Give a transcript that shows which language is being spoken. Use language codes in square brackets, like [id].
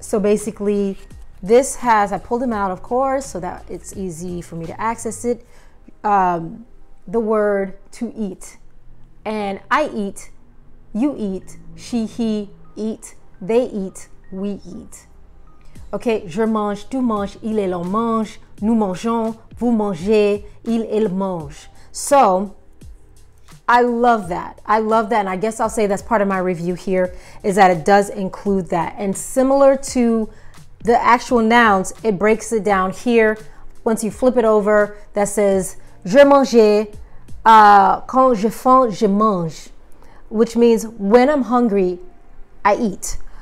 [en] So basically, this has, I pulled them out, of course, so that it's easy for me to access it. The word to eat. And I eat, you eat, she, he eat, they eat, we eat. [fr] Okay, je mange, tu manges, il et l'on mange, nous mangeons, vous mangez, il et l'on mange. [en] So, I love that. I love that. And I guess I'll say that's part of my review here, is that it does include that. And similar to the actual nouns, it breaks it down here. Once you flip it over, that says, [fr] je mange, quand je faim, je mange, [en] which means when I'm hungry, I eat.